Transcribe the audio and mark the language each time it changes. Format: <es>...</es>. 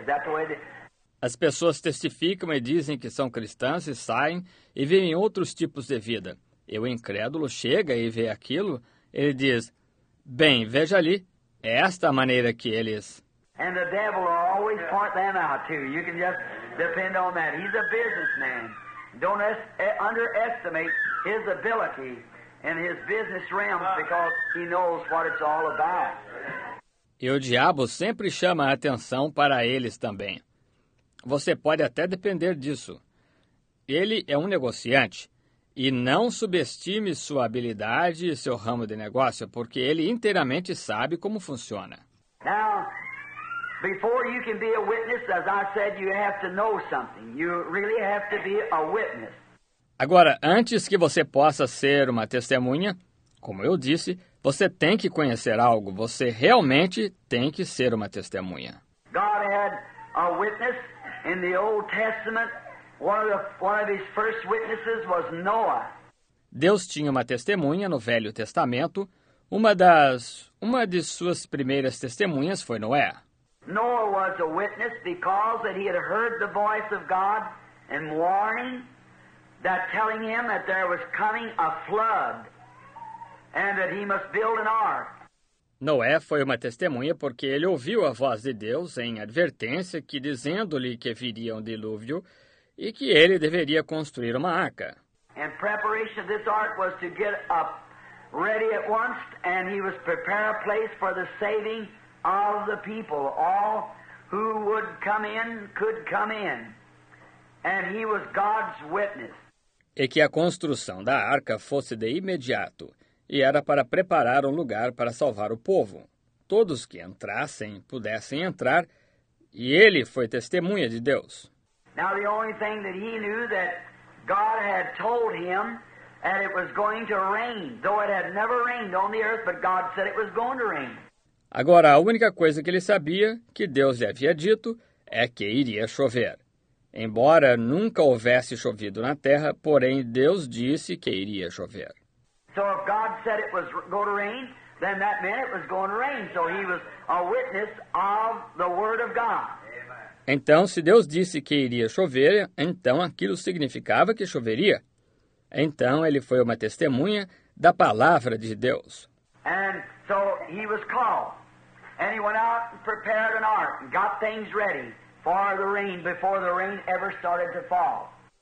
<en>Is that the way they...</en> <pt>As pessoas testificam e dizem que são cristãs e saem e vivem outros tipos de vida. E o incrédulo chega e vê aquilo, ele diz, bem, veja ali, é esta a maneira que eles...</pt> <en>And the devil will always point them out too. You can just depend on that. He's a businessman. Don't underestimate his ability in his business realms because he knows what it's all about.</en> <pt>E o diabo sempre chama a atenção para eles também. Você pode até depender disso. Ele é um negociante. E não subestime sua habilidade e seu ramo de negócio, porque ele inteiramente sabe como funciona.</pt> <en>Now, before you can be a witness, as I said, you have to know something. You really have to be a witness.</en> <pt>Agora, antes que você possa ser uma testemunha, como eu disse, você tem que conhecer algo. Você realmente tem que ser uma testemunha.</pt> <en>God had a witness in the Old Testament. One of his first witnesses was Noah.</en> <pt>Deus tinha uma testemunha no Velho Testamento. Uma de suas primeiras testemunhas foi Noé.</pt> <en>Noah was a witness because that he had heard the voice of God and warning, that telling him that there was coming a flood and that he must build an ark.</en> <pt>Noé foi uma testemunha porque ele ouviu a voz de Deus em advertência que dizendo-lhe que viria um dilúvio e que ele deveria construir uma arca.</pt> <en>And preparation of this ark was to get up ready at once, and he was prepare a place for the saving of the people. All who would come in could come in. And he was God's witness.</en> <pt>E que a construção da arca fosse de imediato, e era para preparar um lugar para salvar o povo. Todos que entrassem pudessem entrar, e ele foi testemunha de Deus.</pt> <en>Now the only thing that he knew that God had told him that it was going to rain, though it had never rained on the earth, but God said it was going to rain.</en> <pt>Agora, a única coisa que ele sabia que Deus lhe havia dito é que iria chover. Embora nunca houvesse chovido na terra, porém Deus disse que iria chover.</pt> <en>So if God said it was going to rain, then that meant it was going to rain. So he was a witness of the word of God.</en> <pt>Então, se Deus disse que iria chover, então aquilo significava que choveria. Então, ele foi uma testemunha da palavra de Deus.</pt> <en>And so he was called. And he went out and prepared an ark and got things ready for the rain before the rain ever started to fall.</en>